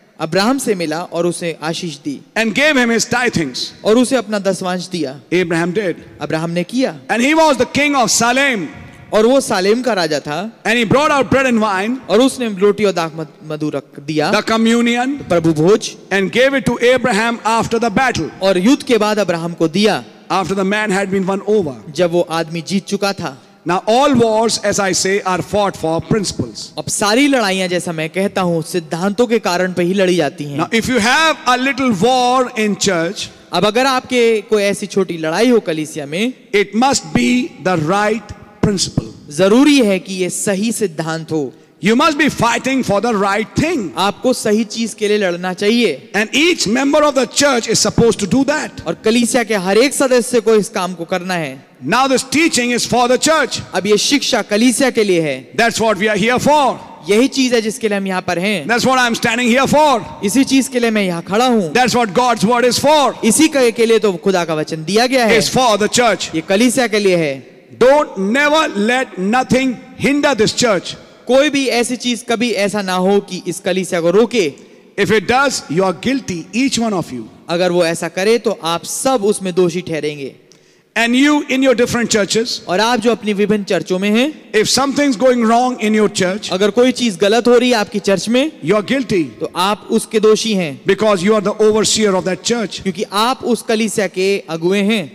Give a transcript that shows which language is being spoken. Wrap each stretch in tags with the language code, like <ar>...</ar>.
<hi>Abraham से मिला और उसे आशीष दी.</hi> <en>And gave him his tithings.</en> <hi>और उसे अपना दशमांश दिया.</hi> <en>Abraham did.</en> <hi>अब्राहम ने किया.</hi> <en>And he was the king of Salem.</en> <hi>और वो सालेम का राजा था.</hi> <en>And he brought out bread and wine.</en> <hi>और उसने रोटी और दाख मधु रख दिया.</hi> <en>The communion.</en> <hi>Prabhu Bhoj.</hi> <en>And gave it to Abraham after the battle.</en> <hi>और युद्ध के बाद अब्राहम को दिया.</hi> <en>After the man had been won over.</en> <hi>जब वो आदमी जीत चुका था.</hi> <en>Now all wars, as I say, are fought for principles.</en> <hi>अब सारी लड़ाइयाँ जैसा मैं कहता हूँ सिद्धांतों के कारण पे ही लड़ी जाती हैं.</hi> <en>Now if you have a little war in church,</en> <hi>अब अगर आपके कोई ऐसी छोटी लड़ाई हो कलीसिया में,</hi> <en>it must be the right principle.</en> <hi>जरूरी है कि ये सही सिद्धांत हो.</hi> <en>You must be fighting for the right thing.</en> <hi>आपको सही चीज के लिए लड़ना चाहिए.</hi> <en>And each member of the church is supposed to do that.</en> <hi>और कलीसिया के हर एक सदस्य को इस काम को करना है.</hi> <en>Now this teaching is for the church.</en> <hi>अब ये शिक्षा कलीसिया के लिए है.</hi> <en>That's what we are here for.</en> <hi>यही चीज है जिसके लिए हम यहाँ पर हैं.</hi> <en>That's what I'm standing here for.</en> <hi>इसी चीज के लिए मैं यहाँ खड़ा हूँ.</hi> <en>That's what God's word is for.</en> <hi>इसी के लिए तो खुदा का वचन दिया गया है.</hi> <en>It's for the church.</en> <hi>ये कलीसिया के लिए है.</hi> <en>Don't never let nothing hinder this church.</en> <hi>कोई भी ऐसी चीज कभी ऐसा ना हो कि इस कलीसिया को रोके.</hi> <en>If it does, you are guilty, each one of you.</en> <hi>अगर वो ऐसा करे तो आप सब उसमें दोषी ठहरेंगे.</hi> <en>And you in your different churches.</en> <hi>और आप जो अपनी विभिन्न चर्चों में हैं.</hi> <en>If something's going wrong in your church.</en> <hi>अगर कोई चीज गलत हो रही है आपकी चर्च में.</hi> <en>You are guilty.</en> <hi>तो आप उसके दोषी हैं.</hi> <en>Because you are the overseer of that church.</en> <hi>क्योंकि आप उस कलीसिया के अगुए हैं.</hi>